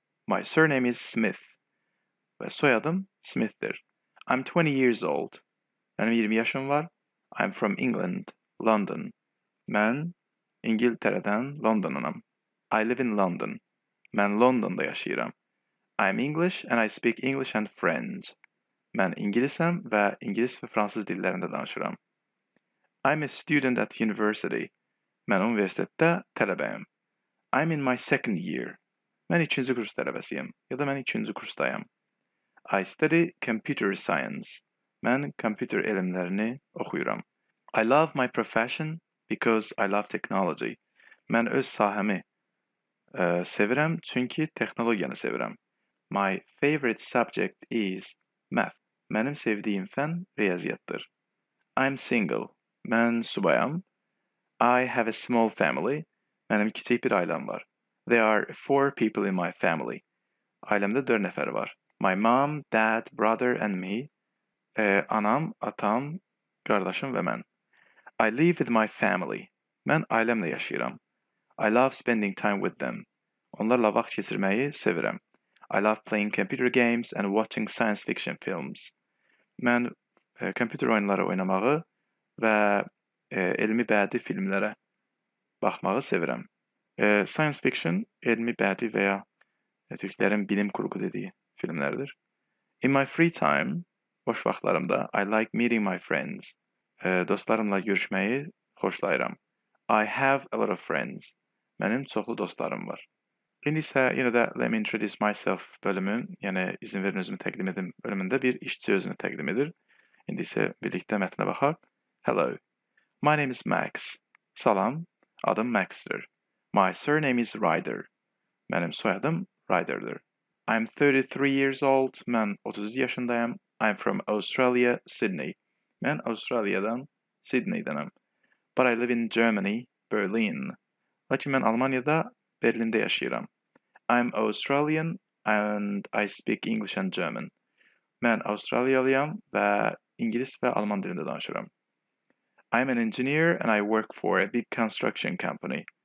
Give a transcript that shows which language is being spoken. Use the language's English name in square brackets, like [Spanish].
[English] My surname is Smith. [Turkish] Ve soyadım Smith'dir. [English] I'm 20 years old. [Turkish] Benim 20 yaşım var. [English] I'm from England, London. [Azerbaijani] Mən İngiltərədən London'anım. [English] I live in London. [Azerbaijani] Mən London'da yaşayıram. [English] I'm English and I speak English and French. [Azerbaijani] Mən İngilisəm və İngilis və Fransız dillərində danışıram. [English] I'm a student at university. [Azerbaijani] Mən universitetdə tələbəyim. [English] I'm in my second year. [Azerbaijani] Mən ikinci kurs tələbəsiyim. Ya da mən ikinci kursdayım. [English] I study computer science. [Azerbaijani] Mən kompüter elmlərini oxuyuram. [English] I love my profession because I love technology. [Azerbaijani] Mən öz sahəmi sevirəm çünki texnologiyanı sevirəm. [English] My favorite subject is math. [Azerbaijani] Mənim sevdiyim fən riyaziyyatdır. [English] I'm single. [Azerbaijani] Mən subayam. [English] I have a small family. [Azerbaijani] Mənim kiçik bir ailəm var. [English] There are 4 people in my family. [Azerbaijani] Ailəmdə 4 nəfər var. [English] My mom, dad, brother and me. [Azerbaijani] Anam, atam, qardaşım və mən. [English] I live with my family. [Azerbaijani] Mən ailəmlə yaşayıram. [English] I love spending time with them. [Azerbaijani] Onlarla vaxt keçirməyi sevirəm. [English] I love playing computer games and watching science fiction films. [Azerbaijani] Mən kompüter oyunları oynamağı və elmi bədii filmlərə baxmağı sevirəm. Science fiction, elmi bədii və ya Türklərin bilim kurgu dediyi filmlərdir. [English] In my free time, [Azerbaijani] boş vaxtlarımda, [English] I like meeting my friends. [Azerbaijani] Dostlarımla görüşməyi xoşlayıram. [English] I have a lot of friends. [Azerbaijani] Mənim çoxlu dostlarım var. İndi isə yenə də [English] Let me introduce myself [Azerbaijani] bölümü, yəni izin verin özümü təqdim edim bölümündə bir işçi özünü təqdim edir. İndi isə birlikdə mətnə baxaq. [English] Hello. My name is Max. [Azerbaijani] Salam. Adım Max'dir. [English] My surname is Ryder. [Azerbaijani] Mənim soyadım Ryder'dir. [English] I'm 33 years old. [Azerbaijani] Mən 33 yaşındayım. [English] I'm from Australia, Sydney. [Azerbaijani] Mən Avstraliyadan, Sydney'danım. [English] But I live in Germany, Berlin. [Azerbaijani] Lakin mən Almanya'da, Berlin'də yaşayıram. [English] I'm Australian and I speak English and German. [Azerbaijani] Mən Avstraliyalıyam və İngiliz və Alman dilində danışıram. [English] I'm an engineer and I work for a big construction company.